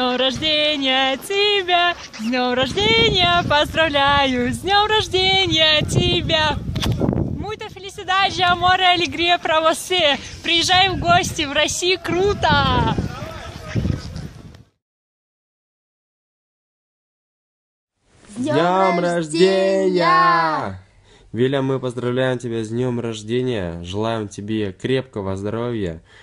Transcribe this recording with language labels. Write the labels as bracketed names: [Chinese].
[Russian] С днем рождения поздравляю, с днем рождения тебя. [Portuguese] Muita felicidade, amor e alegria para você. [Russian] Приезжай в гости, в России круто. С днем рождения. Виля, мы поздравляем тебя с днем рождения. Желаем тебе крепкого здоровья.